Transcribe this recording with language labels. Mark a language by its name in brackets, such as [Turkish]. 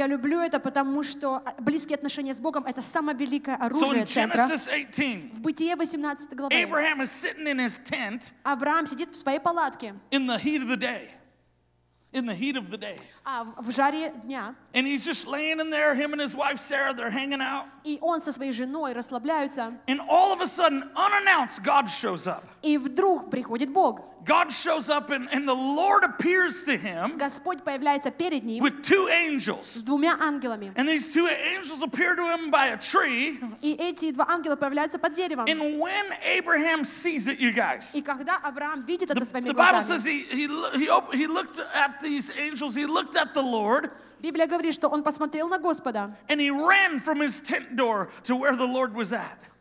[Russian] Я люблю это, потому что близкие отношения с Богом это самое великое оружие. [English] So in Genesis 18. [Russian] В Бытие 18 главе. [English] Abraham is sitting in his tent. [Russian] Авраам сидит в своей палатке. [English] In the heat of the day. In the heat of the day. [Russian] В жаре дня. [English] And he's just laying in there, him and his wife Sarah, they're hanging out. [Russian] И он со своей женой расслабляются. [English] And all of a sudden, unannounced, God shows up. [Russian] И вдруг приходит Бог. [English] God shows up and the Lord appears to him. [Russian] Господь появляется перед ним. [English] With two angels. [Russian] С двумя ангелами. [English] And these two angels appear to him by a tree. [Russian] И эти два ангела появляются под деревом. [English] And when Abraham sees it, you guys. [Russian] И когда Авраам видит это своими глазами. [English] The Bible says he looked at these angels. He looked at the Lord. [Russian] Библия говорит, что он посмотрел на Господа. [English] And he ran from his tent door to where the Lord was at.